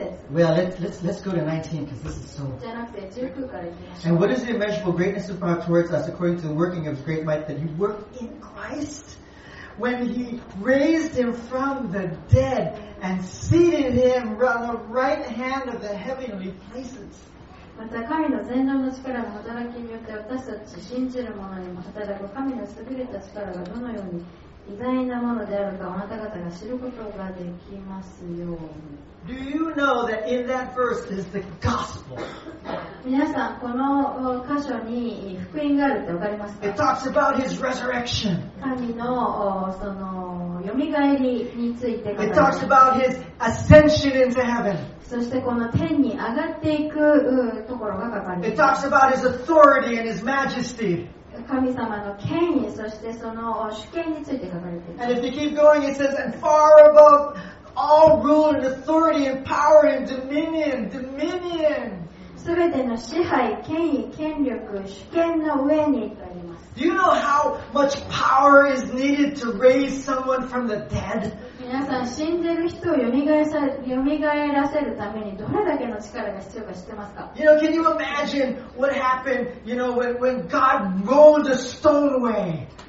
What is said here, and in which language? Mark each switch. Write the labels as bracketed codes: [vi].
[en] Well, let's go to 19 because this is so. And what is the immeasurable greatness of God towards us according to the working of His great might that He worked in Christ when He raised Him from the dead and seated Him on the right hand of the heavenly places? [ja] また神の全能の力の働きによって私たち信じる者にも働く神の優れた力がどのように偉大なものであるかあなた方が知ることができますように。 [en] Do you know that in that verse is the gospel? [ja] 皆さんこの箇所に福音があるってわかりますか? [en] It talks about his resurrection. [ja] 神のそのよみがえりについて。 [en] It talks about his ascension into heaven. [ja] そしてこの天に上がっていくところが書かれています。 [en] It talks about his authority and his majesty. [ja] 神様の権威そしてその主権について書かれています。 [en] And if you keep going, it says, and far above all rule and authority and power and dominion. [ja] 全ての支配、権威、権力、主権の上にとあります。 [en] Do you know how much power is needed to raise someone from the dead? [ja] 皆さん死んでる人を蘇らせるためにどれだけの力が必要か知ってますか? [en] You know, can you imagine what happened, you know, when God rolled the stone away?